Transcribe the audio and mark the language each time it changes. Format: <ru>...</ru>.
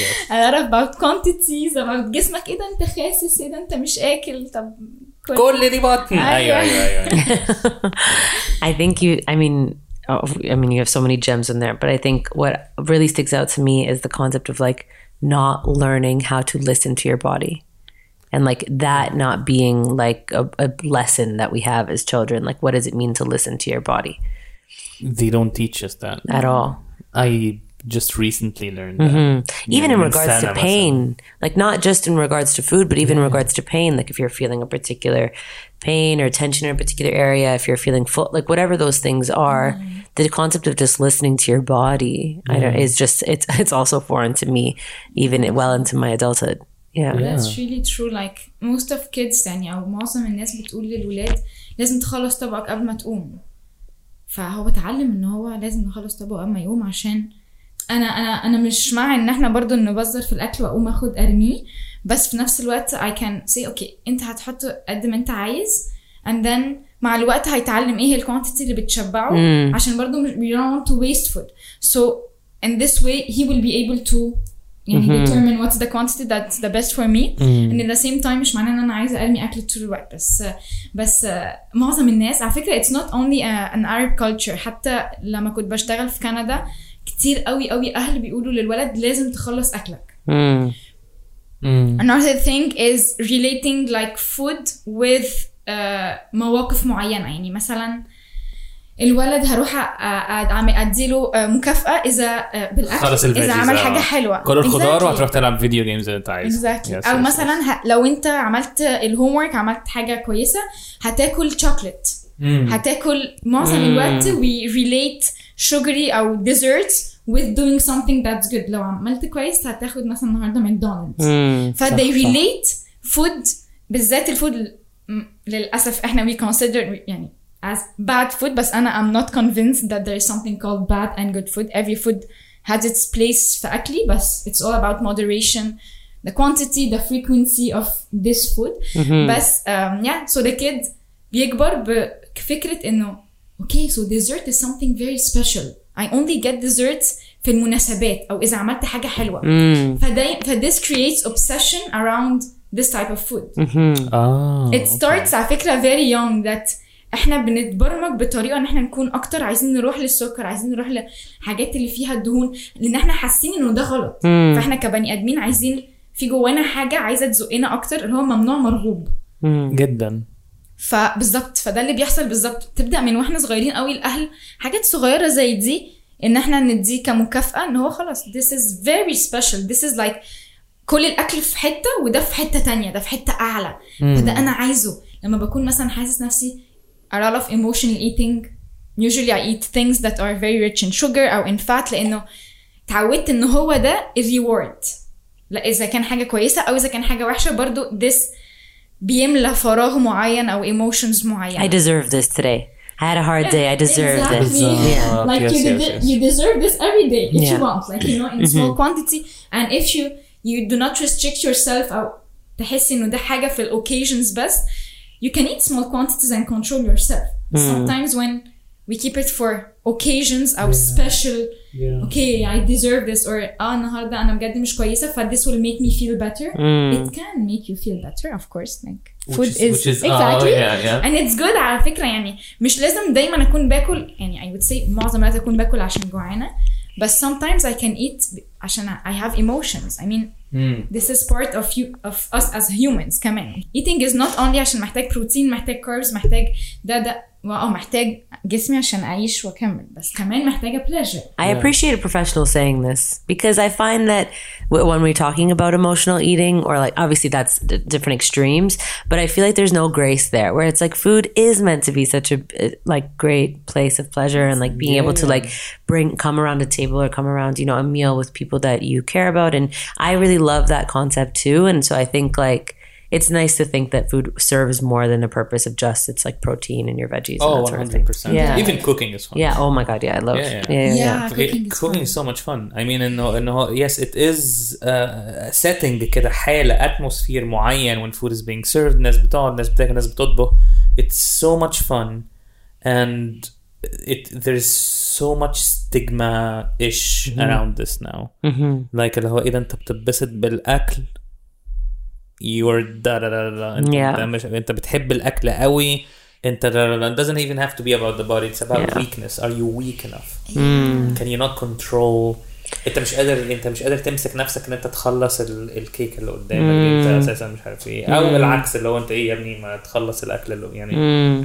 <en>A lot about quantities, about</en> <ar>جسمك إيه ده أنت خاسس, إيه ده أنت مش آكل, طب كل دي بطن.</ar> <en>I think I mean you have so many gems in there, but I think what really sticks out to me is the concept of like not learning how to listen to your body. And like that not being like a lesson that we have as children, like what does it mean to listen to your body? They don't teach us that at all. I just recently learned that. Mm-hmm. Even in regards to pain, like not just in regards to food, but even in regards to pain, like if you're feeling a particular pain or tension in a particular area, if you're feeling full, like whatever those things are, the concept of just listening to your body is just, it's also foreign to me, even well into my adulthood. Yeah. That's really true. Like most of kids,</en> <ar>يعني أو معظم الناس بتقول للولاد لازم تخلص طبقك قبل ما تقوم. فهو تعلم إن هو لازم يخلص طبقه قبل ما يقوم عشان أنا مش مع إن إحنا برضو نبذر في الأكل وأقوم أخد أرمي. بس في نفس الوقت</ar> <en>I can say okay</en> <ar>أنت هتحط قد ما أنت عايز</ar> <en>and then</en> <ar>مع الوقت هيتعلم إيه الكوانتيتي اللي بتشبعه عشان برضو</ar> <en>we don't want to waste food. So in this way he will be able to determine what's the quantity that's the best for me. And at the same time,</en> <ar>مش معنى ان انا عايزة ارمي اكل طول الوقت. بس معظم الناس على فكرة</ar> <en>it's not only an Arab culture.</en> <ar>حتى لما كنت بشتغل في كندا كتير قوي قوي اهل بيقولوا للولد لازم تخلص اكلك.</ar> <en>Another thing is relating like food with</en> <ar>مواقف معينة. يعني مثلا الولد هروح اديله مكافأة إذا بالأكل إذا عمل حاجة حلوة كل الخضار وهتروح تلعب فيديو جيمز اللي انت عايز أو مثلا لو انت عملت الهومورك عملت حاجة كويسة هتاكل شوكولات هتاكل معظم الوقت</ar> <en>we relate sugary</en> <ar>أو</ar> <en>desserts with doing something that's good</en> <ar>لو عملت كويس هتاخد مثلا النهاردة ماكدونالدز ف</ar> <en>they relate food</en> <ar>بالذات الفود للأسف احنا</ar> <en>we consider</en> <ar>يعني</ar> <en>as bad food, but I'm not convinced that there is something called bad and good food. Every food has its place for akli, but it's all about moderation, the quantity, the frequency of this food. But yeah, so the kid</en> <ar>بيكبر بفكرة إنه</ar> <en>okay, so dessert is something very special. I only get desserts</en> <ar>في المناسبات أو إذا عملت حاجة حلوة.</ar> <en>This creates obsession around this type of food.</en> <ar>It starts على فكرة</ar> <en>very young</en> <ar>that احنا بنتبرمج بطريقه ان احنا نكون اكتر عايزين نروح للسكر عايزين نروح لحاجات اللي فيها الدهون لان احنا حاسين انه ده غلط فاحنا كبني ادمين عايزين في جوانا حاجه عايزه تزقنا اكتر اللي هو ممنوع مرغوب جدا فبالظبط فده اللي بيحصل بالظبط تبدا من واحنا صغيرين قوي الاهل حاجات صغيره زي دي ان احنا نديه كمكافاه ان هو خلاص</ar> <en>this is very special this is like</en> <ar>كل الاكل في حته وده في حته تانية ده في حته اعلى فده انا عايزه لما بكون مثلا حاسس نفسي</ar> <en>a lot of emotional eating. Usually I eat things that are very rich in sugar or in fat</en> <ar>لأنه تعودت إنه هو ده</ar> <en>reward.</en> <ar>إذا كان حاجة كويسة أو إذا كان حاجة وحشة برضو</ar> <en>this</en> <ar>بيملى فراغ معين أو emotions معين.</ar> <en>I deserve this today. I had a hard day. I deserve exactly. this. Like you deserve this every day if you want. Like you know in small quantity. And if you do not restrict yourself</en> <ar>أو تحس إنه ده حاجة في</ar> <en>occasions</en> <ar>بس</ar> <en>you can eat small quantities and control yourself. Sometimes when we keep it for occasions, our special, okay, I deserve this, or</en> <ar>النهارده أنا بجد مش كويسة,</ar> <en>but this will make me feel better. It can make you feel better, of course. Like food which is exactly, and it's good.</en> <ar>على فكرة يعني مش لازم دايما أكون باكل. يعني</ar> <en>I would say</en> <ar>معظم الوقت أكون باكل عشان جوعانة,</ar> <en>but sometimes I can eat</en> <ar>عشان</ar> <en>I have emotions. I mean. This is part of you, of us as humans. Come on, eating is not only</en> <ar>عشان محتاج protein, محتاج carbs, محتاج ده واو محتاج جسمي عشان أعيش وكمل. بس كمان محتاج pleasure.</ar> <en>I appreciate a professional saying this because I find that when we're talking about emotional eating or like obviously that's different extremes, but I feel like there's no grace there where it's like food is meant to be such a like great place of pleasure and like being able to like come around a table or come around, you know, a meal with people that you care about. And I really love that concept too. And so I think like, it's nice to think that food serves more than a purpose of just it's like protein and your veggies. Oh, and that 100%. Sort of thing. Even cooking is fun. Yeah. Oh my God. Yeah. I love it. Cooking is so much fun. I mean, yes, it is setting</en> <ar>كده حالة</ar> <en>atmosphere معين when food is being served.</en> <ar>الناس بتقعد, الناس بتاكل, الناس بتطبخ.</ar> <en>It's so much fun. And there's so much stigma-ish around this now. Like,</en> <ar>إذا أنت بتبسط بالأكل, انت بتحب الاكل قوي انت</ar> <en>doesn't even have to be about the body it's about weakness are you weak enough can you not control</en> <ar>انت مش قادر تمسك نفسك ان انت تخلص الكيك اللي قدامك انت اساسا مش عارف ايه او العكس اللي هو انت ايه يا ابني ما تخلص الاكل اللي يعني</ar>